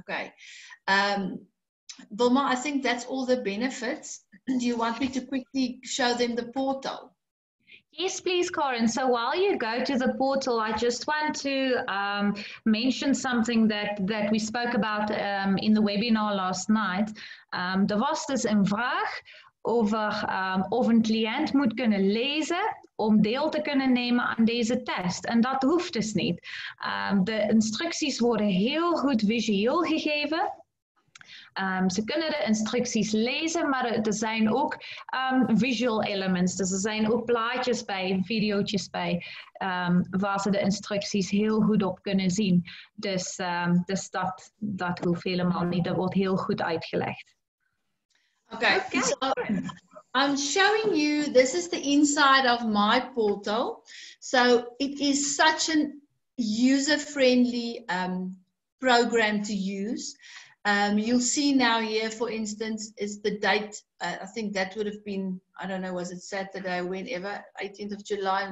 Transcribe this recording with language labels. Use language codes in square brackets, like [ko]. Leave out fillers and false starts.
[en] Okay. Wilma, I think that's all the benefits. Do you want me to quickly show them the portal? Yes, please, Karen. So while you go to the portal, I just want to mention something that we spoke about in the webinar last night. [nl] Er was dus een vraag over of een cliënt moet kunnen lezen om deel te kunnen nemen aan deze test. En dat hoeft dus niet. De instructies worden heel goed visueel gegeven. Ze kunnen de instructies lezen, maar er zijn ook [en] visual elements. [nl] Dus er zijn ook plaatjes bij, video's bij, waar ze de instructies heel goed op kunnen zien. Dus dat hoeft helemaal niet. Dat wordt heel goed uitgelegd. [en] Okay. So I'm showing you, this is the inside of my portal. So it is such an user-friendly program to use. You'll see now here, for instance, is the date. I think that would have been, I don't know, was it Saturday, whenever, 18th of July?